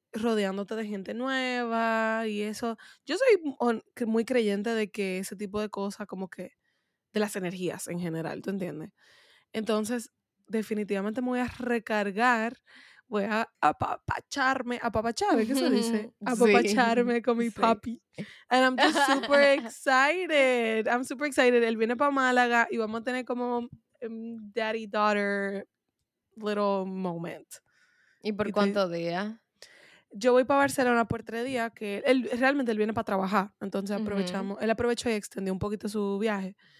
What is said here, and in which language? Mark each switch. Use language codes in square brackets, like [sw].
[es] rodeándote de gente nueva y eso. Yo soy muy creyente de que ese tipo de cosas, como que de las energías en general, ¿tú entiendes? Entonces, definitivamente me voy a recargar, voy a apapacharme, ¿es que se dice? Apapacharme con mi papi. [en] And I'm just super excited. I'm super excited. [es] Él viene para Málaga y vamos a tener como daddy-daughter little moment. ¿Y por cuántos días? yo voy para Barcelona por 3 días, que él realmente él viene para trabajar, entonces aprovechamos, uh-huh. él aprovechó y extendió un poquito su viaje.